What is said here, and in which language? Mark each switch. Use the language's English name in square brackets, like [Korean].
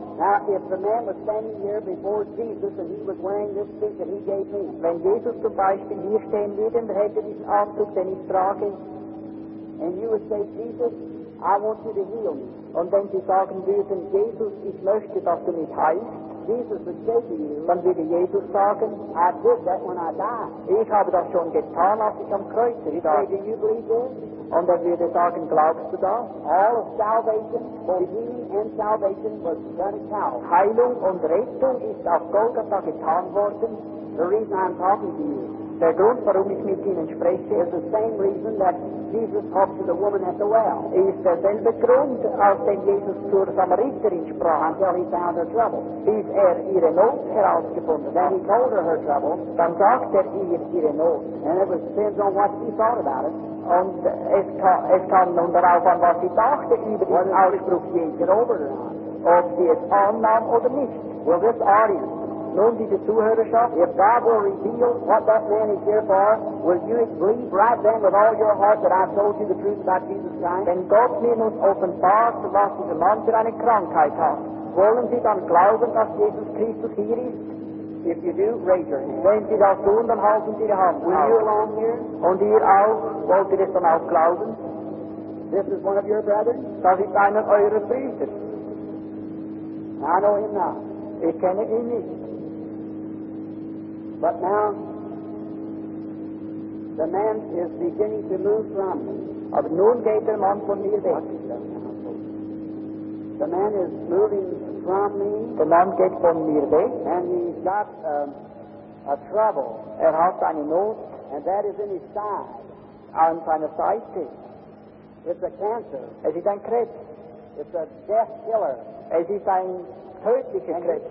[English] now, if the man was standing here before Jesus and he was wearing this suit that he gave me, [German] wenn Jesus zum Beispiel hier stehen würde und hätte diesen Anzug, den ich trage, [English] and you would say, Jesus, I want you to heal me. [German] Und wenn Sie sagen würden, Jesus, ich möchte, dass du mich heilst, [English] Jesus would say to you, [German] dann würde Jesus sagen, [English] I did that when I died. [German] Ich habe das schon getan, als ich am Kreuz war. [English] Say, do you believe this? [German] Und er würde sagen, glaubst du das? [English] All of salvation, for healing and salvation was done at Calvary. [German] Heilung und Rettung ist auf Golgatha getan worden. [English] The reason I'm talking to you, [German] der Grund, warum ich mit Ihnen spreche, [English] is the same reason that Jesus talked to the woman at the well. [German] Ist derselbe Grund, aus dem Jesus zur Samariterin sprach, [English] until he found her trouble. [German] Ist ihre Not herausgefunden. [English] Then he told her trouble. [German] Dann sagt ihre Not. [English] And it was depends on what she thought about it. [German] Und es kam nun darauf an, was sie dachte über den Ausspruch Jesu, ob sie es annahm oder nicht. [English] Well, this audience, [German] nun, diese Zuhörerschaft, [English] if God will reveal what that man is here for, will you believe right then with all your heart that I've told you the truth about Jesus Christ? [German] Wenn Gott mir nun offenbart, was dieser Mann für eine Krankheit hat, wollen Sie dann glauben, dass Jesus Christus hier ist? [English] If you do, raise your hand. [German] Wenn Sie das tun, dann halten Sie Ihre Hand. [English] Will you along here? [German] Und ihr auch, wollt ihr es dann auch glauben? [English] This is one of your brothers? [German] Das ist einer eurer Brüder. [English] I know him now. [German] Ich kenne ihn nicht. [English] But now, the man is beginning to move from me. [German] Ab nun geht der Mann von mir weg. [English] The man is moving from me. [German] Der Mann geht von mir weg. [English] And he's got a trouble. [German] Er hat eine Not. [English] And that is in his side. [German] An seiner Seite. [English] It's a cancer. [German] Es ist ein Krebs. [English] It's a death killer. [German] Es ist ein tödlicher Krebs.